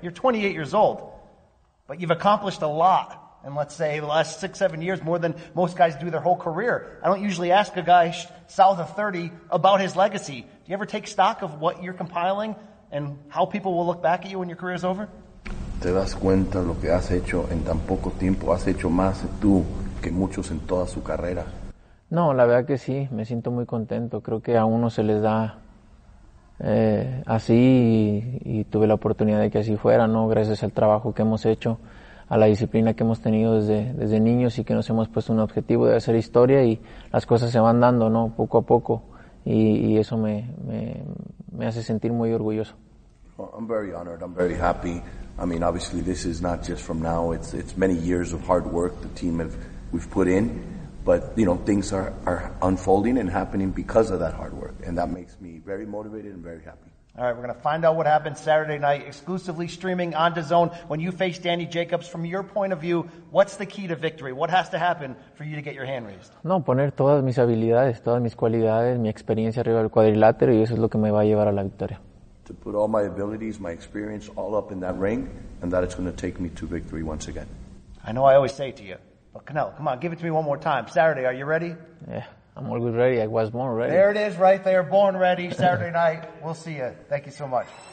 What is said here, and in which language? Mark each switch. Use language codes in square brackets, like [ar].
[en] You're 28 years old, but you've accomplished a lot. And let's say the last 6-7 years, more than most guys do their whole career. I don't usually ask a guy south of 30 about his legacy. Do you ever take stock of what you're compiling and how people will look back at you when your career is over? [es] Te das cuenta lo que has hecho en tan poco tiempo. Has hecho más tú que muchos en toda su carrera. No, la verdad que sí. Me siento muy contento. Creo que a uno se les da así y tuve la oportunidad de que así fuera, ¿no? Gracias al trabajo que hemos hecho. a la disciplina que hemos tenido desde niños y que nos hemos puesto un objetivo de hacer historia y las cosas se van dando, ¿no? Poco a poco y eso me hace sentir muy orgulloso. [en] Well, I'm very honored. I'm very happy. I mean, obviously, this is not just from now. It's many years of hard work the team we've put in. But, you know, things are unfolding and happening because of that hard work. And that makes me very motivated and very happy. All right, we're going to find out what happened Saturday night, exclusively streaming on DAZN. When you face Danny Jacobs, from your point of view, what's the key to victory? What has to happen for you to get your hand raised? [es] No, poner todas mis habilidades, todas mis cualidades, mi experiencia arriba del cuadrilátero, y eso es lo que me va a llevar a la victoria. [en] To put all my abilities, my experience, all up in that ring, and that it's going to take me to victory once again. I know I always say it to you, but Canelo, come on, give it to me one more time. Saturday, are you ready? Yeah, I'm always ready. I was born ready. There it is right there, born ready, Saturday night. We'll see you. Thank you so much.